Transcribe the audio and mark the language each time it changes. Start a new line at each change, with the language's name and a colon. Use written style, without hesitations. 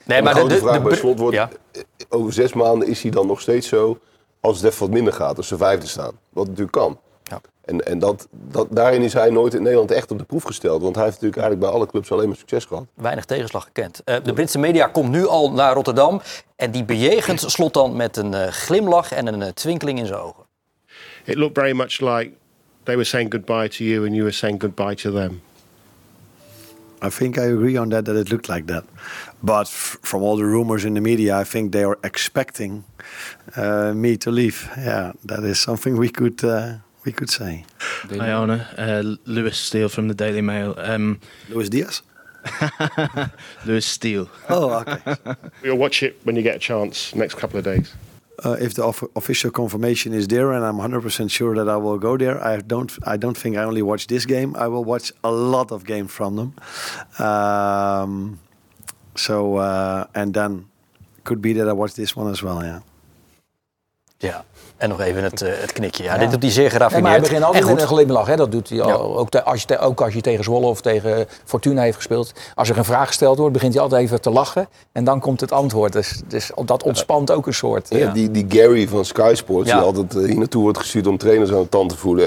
Dutch: Nee, maar de grote vraag bij Slot wordt, over 6 maanden is hij dan nog steeds zo als het even wat minder gaat. Als ze 5e staan. Wat natuurlijk kan. En dat daarin is hij nooit in Nederland echt op de proef gesteld. Want hij heeft natuurlijk eigenlijk bij alle clubs alleen maar succes gehad. Weinig tegenslag gekend. De Britse media komt nu al naar Rotterdam. En die bejegent Slot dan met een glimlach en een twinkeling in zijn ogen.
English: It looked very much like they were saying goodbye to you and you were saying goodbye to them. I think I agree on that it looked like that. But from all the rumors in the media, I think they are expecting me to leave. Yeah, that is something we could... We could say. Hi, Arne. Lewis Steele from the Daily Mail. Lewis Diaz? Lewis Steele. Oh, okay. You'll watch it when you get a chance, next couple of days. If the official confirmation is there and I'm 100% sure that I will go there, I don't think I only watch this game. I will watch a lot of games from them. And then could be that I watch this one as well, yeah.
Dutch: Ja, en nog even het knikje. Ja, dit doet hij zeer geraffineerd. Maar hij begint altijd met een glimlach. Hè? Dat doet hij al. Ook als je tegen Zwolle of tegen Fortuna heeft gespeeld. Als er een vraag gesteld wordt, begint hij altijd even te lachen. En dan komt het antwoord. Dus dat ontspant ook een soort. Ja. Die Gary van Sky Sports, die altijd hier naartoe wordt gestuurd om trainers aan de tand te voelen.